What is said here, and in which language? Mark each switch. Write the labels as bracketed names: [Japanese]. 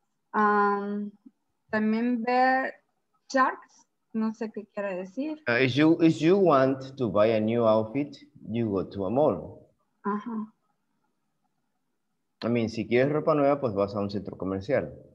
[Spanish] También ver sharks, no sé qué quiere decir. [English] If you want to buy a new outfit, you go to a mall. Uh-huh. I mean, [Spanish] si quieres ropa nueva, pues vas a un centro comercial.